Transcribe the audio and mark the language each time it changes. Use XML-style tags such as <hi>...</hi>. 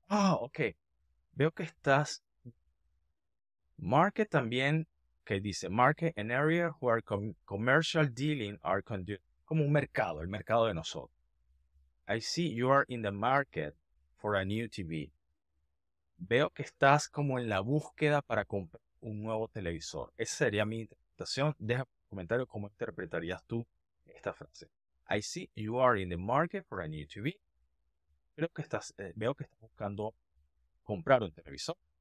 <en>Ah, oh, ok.</en> <es>Veo que estás.</es> <en>Market</en> <es>también, que dice</es> <en>market, an area where commercial dealing are conducted.</en> <es>Como un mercado, el mercado de nosotros.</es> <en>I see you are in the market for a new TV.</en> <es>Veo que estás como en la búsqueda para comprar un nuevo televisor. Esa sería mi interpretación. Deja en los comentarios cómo interpretarías tú esta frase.</es> <en>I see you are in the market for a new TV.</en> <es>Veo que estás buscando comprar un televisor.</es>